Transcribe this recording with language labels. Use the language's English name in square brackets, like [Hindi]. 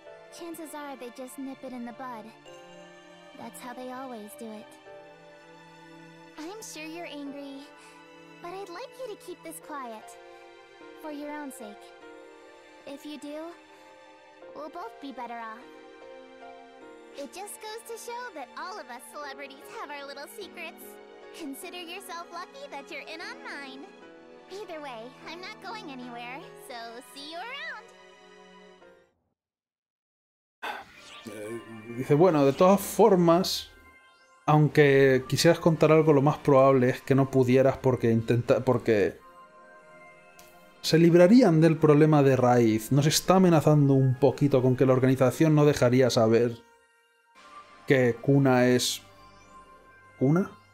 [Spanish] Las chances son que solo se [English] nip it [Spanish] en el [English] bud. [Spanish] Es como siempre lo hacen. Estoy seguro que estás enojado, pero me gustaría que mantengas esto calmado. Por tu propio [English] sake. If you do, we'll both be better off. It just goes to show that all of us celebrities have our little secrets. Consider yourself lucky that you're in on mine. Either way, I'm not going anywhere, so see you around. [Spanish] Dice, bueno, de todas formas, aunque quisieras contar algo, lo más probable es que no pudieras porque ¿Se librarían del problema de raíz? ¿Nos está amenazando un poquito con que la organización no dejaría saber que Kuna es... ¿Kuna?